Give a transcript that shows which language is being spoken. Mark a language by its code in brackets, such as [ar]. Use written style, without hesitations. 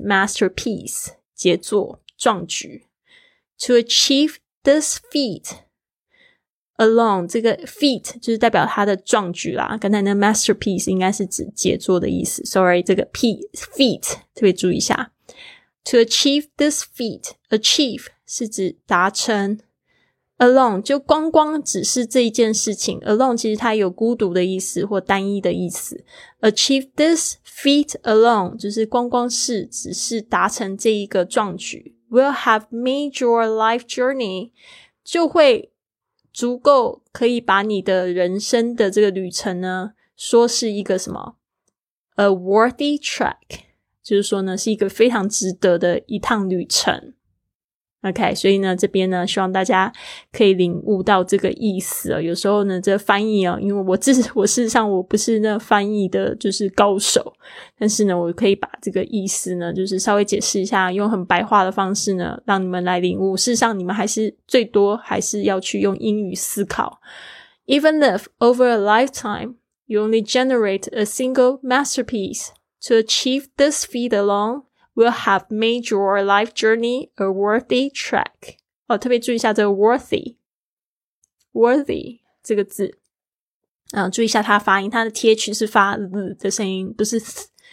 [zh] masterpiece 杰作，壮举。 to achieve this feat alone, 这个 feat 就是代表他的壮举啦，刚才那 masterpiece 应该是指杰作的意思， sorry, 这个 feat 特别注意一下。 [en] to achieve this feat, achieve 是指达成， [zh] alone 就光光只是这一件事情， alone 其实它有孤独的意思或单一的意思。 achieve this feat alone 就是光光是只是达成这一个壮举。 will have made your life journey 就会足够可以把你的人生的这个旅程呢说是一个什么 a worthy trek，就是说呢是一个非常值得的一趟旅程。 OK， 所以呢这边呢希望大家可以领悟到这个意思哦。有时候呢这翻译哦，因为我事实上我不是那翻译的就是高手，但是呢我可以把这个意思呢就是稍微解释一下，用很白话的方式呢让你们来领悟。事实上你们还是最多还是要去用英语思考。 [en] Even if over a lifetime you only generate a single masterpiece, to achieve this feat aloneWill have made your life journey a worthy trek. [zh] 哦，特别注意一下这个 worthy 这个字，注意一下它发音，它的 th 是发 l 的声音，不是 th。